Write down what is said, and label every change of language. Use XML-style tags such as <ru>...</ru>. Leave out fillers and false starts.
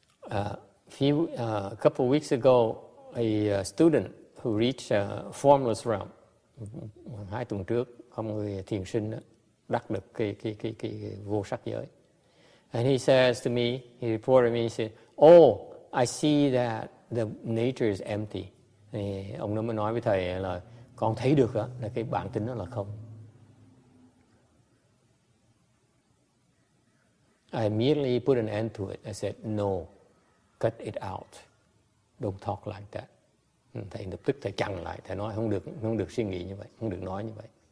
<en>A couple of weeks ago, a student who reached a formless realm.</en> <vi>Hai tuần trước, có một người thiền sinh đắc được cái vô sắc giới.</vi> <en>And he says to me, he reported to me, he said, oh, I see that the nature is empty.</en> <vi>Thì ông nó mới nói với thầy là con thấy được đó, là cái bản tính nó là không.</vi> <en>I immediately put an end to it. I said, no, cut it out. Don't talk like that.</en> <vi>Thầy lập tức thầy chặn lại, thầy nói không được suy nghĩ như vậy, không được nói như vậy.</vi>